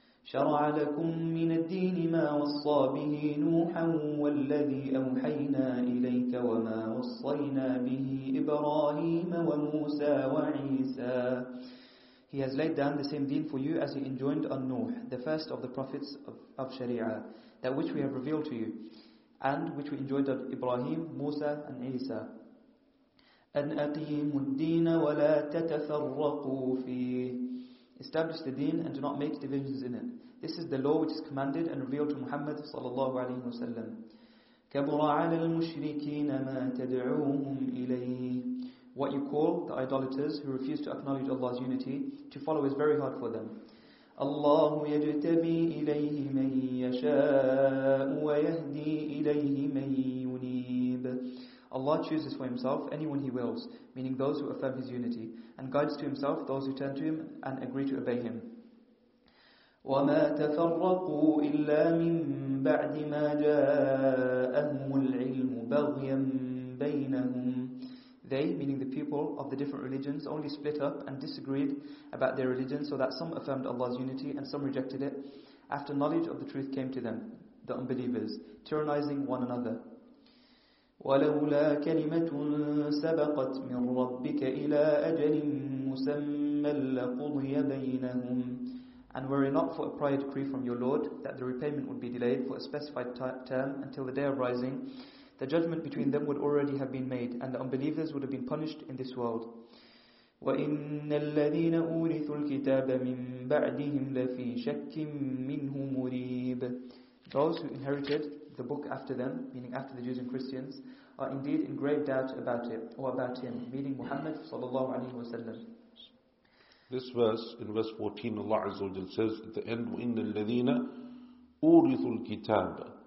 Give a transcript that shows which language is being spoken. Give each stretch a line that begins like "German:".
Arabic: شَرَعَ لَكُمْ مِنَ الدِّينِ مَا وَصَّى بِهِ نُوحًا وَالَّذِي أَوْحَيْنَا إِلَيْكَ وَمَا وَصَّيْنَا بِهِ إِبْرَاهِيمَ وَمُوسَى وَعِيسَى
English: He He has laid down the same deen for you as he enjoined on Nuh, the first of the prophets of Sharia, that which we have revealed to you, and which we enjoined on Ibrahim, Musa, and Isa.
Arabic: أن أقيموا الدين ولا تتفرقوا فيه.
English: Establish the deen and do not make divisions in it. This is the law which is commanded and revealed to Muhammad
Arabic: صلى الله عليه وسلم. كبر على المشركين ما تدعوهم إليه.
English: What you call the idolaters who refuse to acknowledge Allah's unity, to follow is very hard for them.
Arabic: الله يجتبي إليه من يشاء ويهدي إليه من ينيب.
English: Allah chooses for Himself anyone He wills, meaning those who affirm His unity, and guides to Himself those who turn to Him and agree to obey Him.
Arabic: وَمَا تَفَرَّقُوا إِلَّا مِن بَعْدِ مَا جَاءَهُمُ الْعِلْمُ بَغْيًا بَيْنَهُمْ.
English: They, meaning the people of the different religions, only split up and disagreed about their religion so that some affirmed Allah's unity and some rejected it, after knowledge of the truth came to them, the unbelievers, tyrannizing one another.
Arabic: ولولا كلمة سبقت من ربك إلى أجل مسمى لقضي بينهم.
English: And were it not for a prior decree from your Lord that the repayment would be delayed for a specified term until the day of rising, the judgment between them would already have been made, and the unbelievers would have been punished in this world.
Arabic: وإن الذين أورثوا الكتاب من بعدهم لفي شك منه مريب.
English: Those who inherited the book after them, meaning after the Jews and Christians, are indeed in grave doubt about it, or about him, meaning Muhammad sallallahu alayhi wa sallam. This verse, in verse 14, Allah Azza wa Jalla says at the end,
Arabic: وَإِنَّ الَّذِينَ أُورِثُوا الْكِتَابَ.